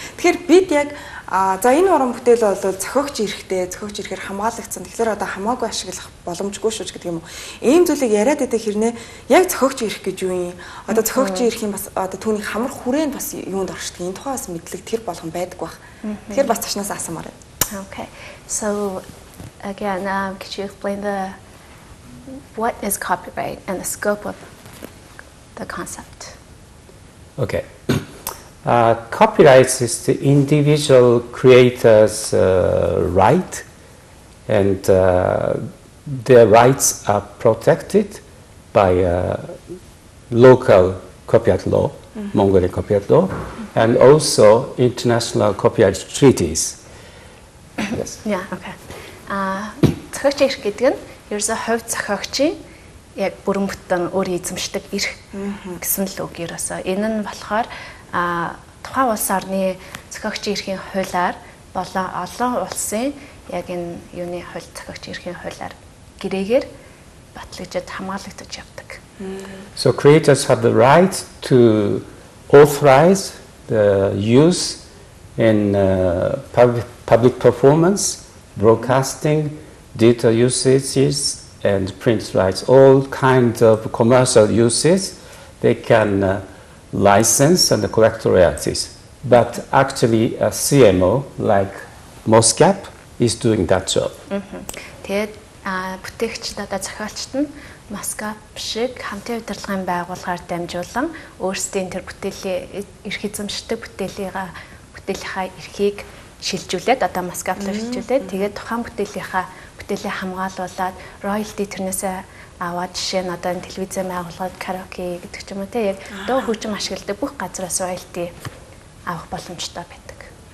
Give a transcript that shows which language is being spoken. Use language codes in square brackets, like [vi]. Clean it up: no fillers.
[mn] Тэгэхээр бид яг за энэ уран бүтээл бол зохиогч эрхтэй, зохиогч эрхээр хамгаалагдсан. Тэгэхээр одоо хамаагүй ашиглах боломжгүй шүү гэдэг юм уу. Ийм зүйлийг яриад байгаа хэрнээ яг зохиогч эрх гэж юу юм? Одоо зохиогч эрх юм бас одоо түүний хамар хүрээнд бас юунд оршдог? Энэ тухай бас мэдлэг тэр болгон байдаг байх. Тэгэхээр бас цашнаас асуумаар байна. [en] Okay. So again, could you explain the what is copyright and the scope of the concept? Okay. Copyright is the individual creator's right, and their rights are protected by local copyright law, mm-hmm. Mongolian copyright law, mm-hmm. and also international copyright treaties. Yes. Yeah, okay. [mn] Зохиогчийн эрх гэдэг нь ерөөсөө хувь зохиогчийн яг бүрэн бүтэн өөр эзэмшдэг эрх гэсэн л үг ерөөсөө. Энэ нь болохоор тухайн улс орны зохиогчийн эрхийн хуулиар болон олон улсын яг энэ юуны хувь зохиогчийн эрхийн хуулиар гэрээгээр батлагдаж хамгаалагдаж явдаг. [en] So creators have the right to authorize the use in public performance, broadcasting, data usages, and print rights, all kinds of commercial uses, they can license and collect royalties. But actually, a CMO like MOSCAP is doing that job. [mn] Тэгээд бүтээгчид одоо зохиолчд нь MOSCAP шиг хамтын удирдлагын байгууллагаар дамжуулан өөрсдийн тэр бүтээлийн эрх эзэмшдэг бүтээлийнхаа эрхийг шилжүүлээд одоо MOSCAP руу шилжүүлээд тэгээд тухайн бүтээлийнхаа бүтээлээ хамгаалуулаад роялти тэрнээсээ аваад жишээ нь одоо телевизэн байгууллагад караоке гэдэг ч юм уу тийм яг дуу хөгжим ашигладаг бүх газраас роялти авах боломжтой байдаг.